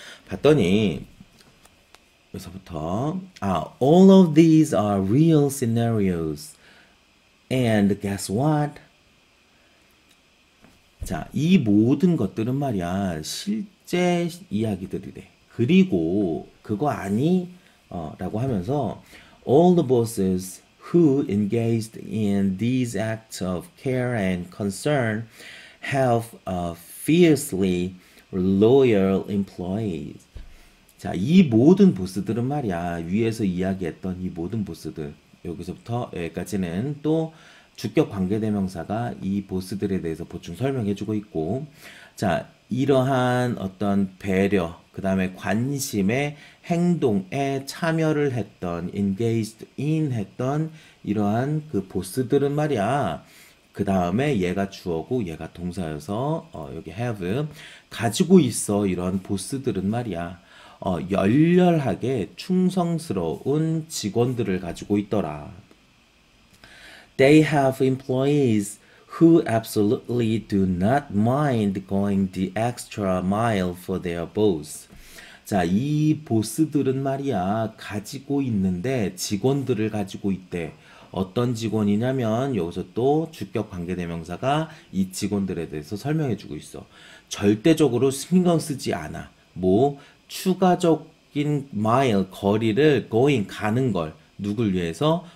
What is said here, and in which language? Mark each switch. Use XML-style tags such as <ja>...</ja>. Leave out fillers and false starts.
<ko>봤더니 여기서부터</ko> <en>all of these are real scenarios. And guess what?</en> <ko>자, 이 모든 것들은 말이야 실제 이야기들이래. 그리고 그거 아니? 라고 하면서</ko> <en>all the bosses who engaged in these acts of care and concern have a fiercely loyal employees.</en> <ko>자, 이 모든 보스들은 말이야. 위에서 이야기했던 이 모든 보스들. 여기서부터 여기까지는 또 주격 관계대명사가 이 보스들에 대해서 보충 설명해주고 있고. 자, 이러한 어떤 배려, 그 다음에 관심의 행동에 참여를 했던, engaged in 했던 이러한 그 보스들은 말이야. 그 다음에 얘가 주어고 얘가 동사여서 여기 have 가지고 있어. 이러한 보스들은 말이야. 열렬하게 충성스러운 직원들을 가지고 있더라.</ko> <en>They have employees who absolutely do not mind going the extra mile for their boss.</en> <ko>자, 이 보스들은 말이야, 가지고 있는데, 직원들을 가지고 있대. 어떤 직원이냐면, 여기서 또 주격 관계대명사가 이 직원들에 대해서 설명해주고 있어. 절대적으로 신경 쓰지 않아. 뭐, 추가적인 마일, 거리를 going, 가는 걸. 누굴 위해서?</ko>